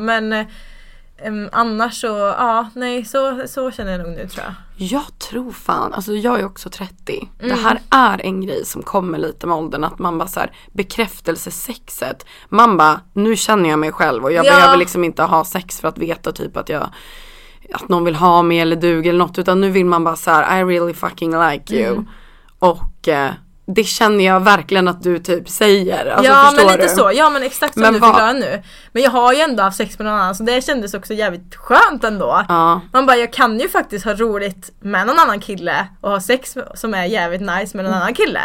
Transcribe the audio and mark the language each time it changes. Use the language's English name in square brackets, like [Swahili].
[Swedish] Men annars så, så känner jag nog nu tror jag. Jag tror fan, alltså jag är också 30. Det här är en grej som kommer lite med åldern, att man bara såhär, bekräftelsesexet. Man bara, nu känner jag mig själv och jag behöver liksom inte ha sex för att veta typ att jag, att någon vill ha mig eller dug eller något. Utan nu vill man bara såhär, [English] I really fucking like you. [Swedish] Och det känner jag verkligen att du typ säger. Alltså, ja, men lite du? Så. Ja, men exakt som men du förklarar nu. Men jag har ju ändå haft sex med någon annan. Så det kändes också jävligt skönt ändå. Man bara, jag kan ju faktiskt ha roligt med någon annan kille. Och ha sex som är jävligt nice med någon annan kille.